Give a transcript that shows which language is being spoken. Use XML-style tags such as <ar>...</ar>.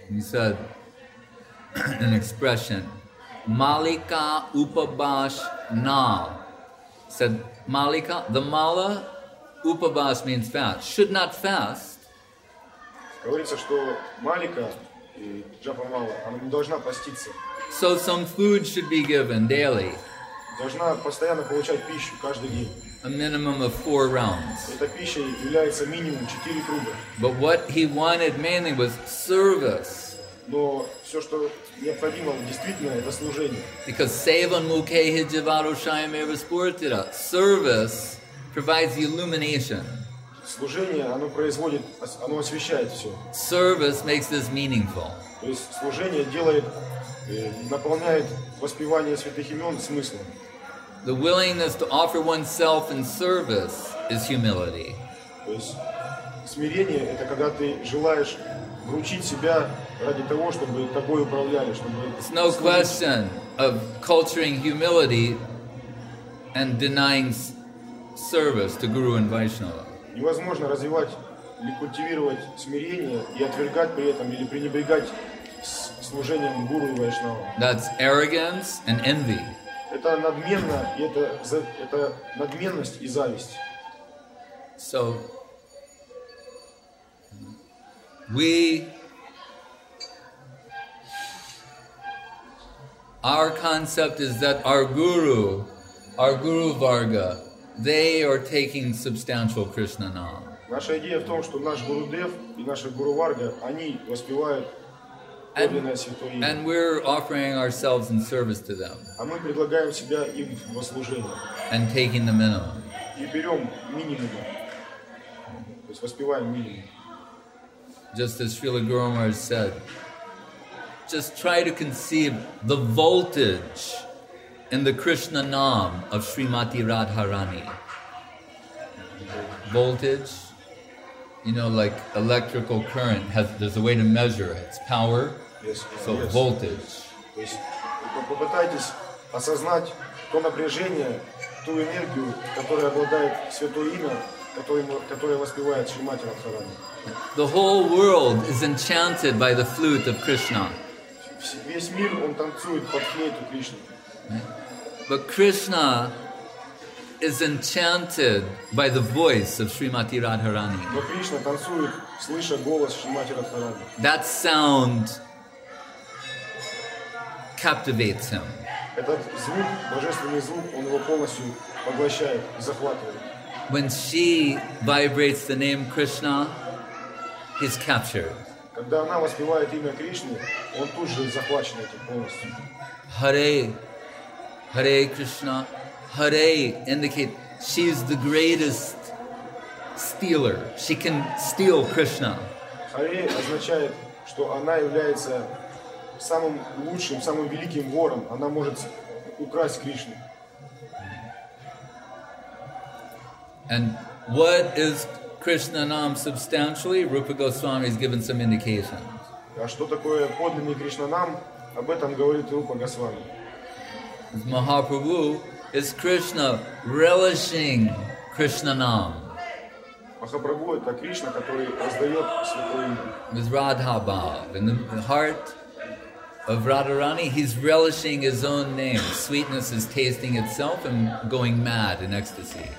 <en>He said an expression, Malika Upabash Na. Said Malika, the Mala Upabash means fast, should not fast.</en> <ru>Говорится, что Малика и Джапа Мала, она не должна поститься.</ru> <en>So some food should be given daily.</en> <ru>Должна постоянно получать пищу каждый день.</ru> <en>A minimum of 4 rounds.</en> <ru>Эта пища является минимум 4 круга.</ru> <en>But what he wanted mainly was service.</en> <ru>Но все, что необходимо, действительно, это служение.</ru> <en>Because</en> <sa>Sevan Mukhehi Javarushayam Eva Spuritira,</sa> <en>service provides the illumination.</en> <ru>Служение, оно производит, оно освещает все.</ru> <en>Service makes this meaningful.</en> <ru>То есть служение делает, наполняет воспевание святых имен смыслом.</ru> <en>The willingness to offer oneself in service is humility.</en> <ru>То есть смирение – это когда ты желаешь вручить себя ради того, чтобы тобой управляли, чтобы.</ru> <en>It's no question of culturing humility and denying service to Guru and Vaishnava.</en> <ru>Невозможно развивать или культивировать смирение и отвергать при этом или пренебрегать служением гуру и вайшнава.</ru> <en>That's arrogance and envy.</en> <ru>Это надменно, и это надменность и зависть.</ru> <en>So we our concept is that our guru Varga, they are taking substantial Krishna nam.</en> <ru>Наша идея в том, что наш Гурудев и наша Гуруварга, они воспевают подлинное святое имя.</ru> <en>And we're offering ourselves in service to them.</en> <ru>А мы предлагаем себя им во служение.</ru> <en>And taking the minimum.</en> <ru>И берем минимум. То есть воспеваем минимум.</ru> <en>Just as Srila Guru Maharaj said, just try to conceive the voltage in the Krishna Nam of Srimati Radharani. Voltage, you know, like electrical current, there's a way to measure it. It's power. Yes, so yes. Voltage.</en> <ru>То есть, попытайтесь осознать то напряжение, ту энергию, которая обладает святое имя, которое воспевает Шримати Радхарани.</ru> <en>The whole world is enchanted by the flute of Krishna.</en> <ru>Весь мир, он танцует под флейту Кришны.</ru> <en>But Krishna is enchanted by the voice of Srimati Radharani.</en> <ru>Но Кришна танцует, слыша голос Шримати Радхарани.</ru> <en>That sound captivates him.</en> <ru>Этот звук, божественный звук, он его полностью поглощает, захватывает.</ru> <en>When she vibrates the name Krishna, he's captured.</en> <ru>Когда она воспевает имя Кришны, он тут же захвачен этим полностью.</ru> <en>Hare. Hare Krishna, Hare indicate she's the greatest stealer. She can steal Krishna.</en> <ru>Hare означает, что она является самым лучшим, самым великим вором. Она может украсть Кришну.</ru> <en>And what is Krishna Nam substantially? Rupa Goswami has given some indications.</en> <ru>А что такое подлинный Кришнанам? Об этом говорит Рупа Госвами.</ru> <en>Mahaprabhu is Krishna relishing Krishnanam.</en> <ru>Махапрабху это Кришна, который раздает святое имя.</ru> <en>With Radha Bhav in the heart of Radharani, he's relishing his own name. Sweetness is tasting itself and going mad in ecstasy.</en>